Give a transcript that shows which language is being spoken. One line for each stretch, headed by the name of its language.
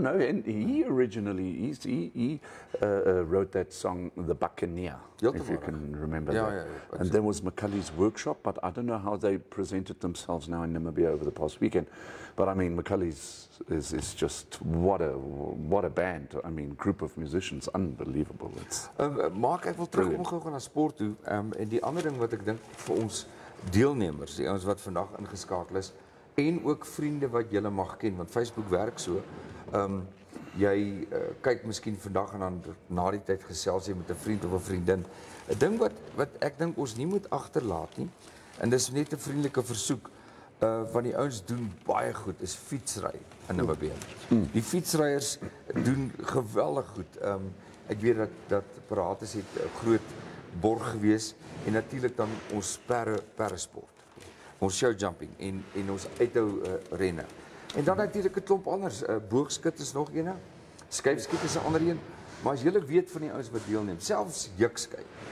English: And he originally, he wrote that song, The Buccaneer, if you can remember that. Yeah, and there was McCully's workshop, but I don't know how they presented themselves now in Namibia over the past weekend. But I mean, McCully's is just what a band. I mean, group of musicians, unbelievable. It's
Afrikaans: Mark, ek wil terug omgaan gaan na sport toe. En die ander ding wat ek dink vir ons deelnemers, die ons wat vandag ingeskakel is, en ook vriende wat julle mag ken, want Facebook werk so. Jy kyk miskien vandag en dan na die tyd gesels jy met 'n vriend of 'n vriendin. 'N Ding wat ek dink ons nie moet agterlaat nie, en dis net 'n vriendelike versoek. Wat die ouens doen baie goed is fietsry in Namibia. Die fietsryers doen geweldig goed. Ek weet dat Parates het 'n groot borg gewees en natuurlik dan ons parasport. Ons show jumping en ons uithou renne. En dan natuurlik 'n klomp anders, boogskut is nog een, skuifskut is 'n ander een, maar as julle weet van die ouens wat deelneem, selfs jukskyk.